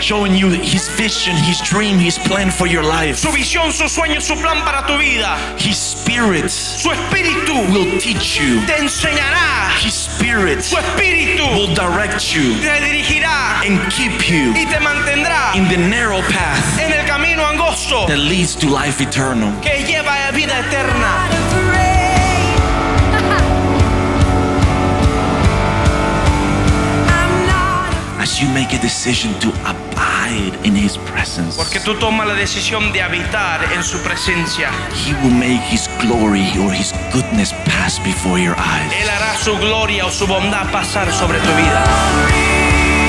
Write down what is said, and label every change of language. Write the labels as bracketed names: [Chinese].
[English] Showing you His vision, His dream, His plan for your life. [Spanish] Su visión, su sueño, su plan para tu vida. [English] His Spirit. [Spanish] Su Espíritu. [English] Will teach you. [Spanish] Te enseñará. [English] His Spirit. Spirit will direct you and keep you in the narrow path that leads to life eternal. As you make a decision to abide in His presence, [Spanish] porque tú tomas la decisión de habitar en su presencia, [English] He will make His glory or His goodness pass before your eyes. [Spanish] Él hará su gloria o su bondad pasar sobre tu vida.